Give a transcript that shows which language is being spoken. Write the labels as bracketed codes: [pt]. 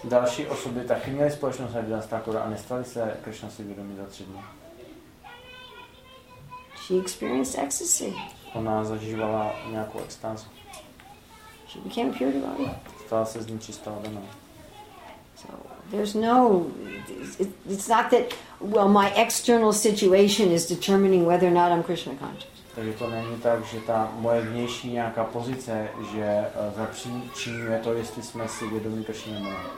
[cs] Další osoby taky měly společnost Haridas Thakur a nestali se Krishna si vědomí za 3 dny. [en] She experienced ecstasy. [cs] Ona zažívala nějakou extázu. [en] She became a pure devotee. [cs] Stala se z ní čistá vedomá. [en] So there's no, it's not that, well, my external situation is determining whether or not I'm Krishna conscious. [cs] Takže to není tak, že ta moje vnější nějaká pozice, že zapříčinuje to, jestli jsme si vědomí Krishna nebo ne.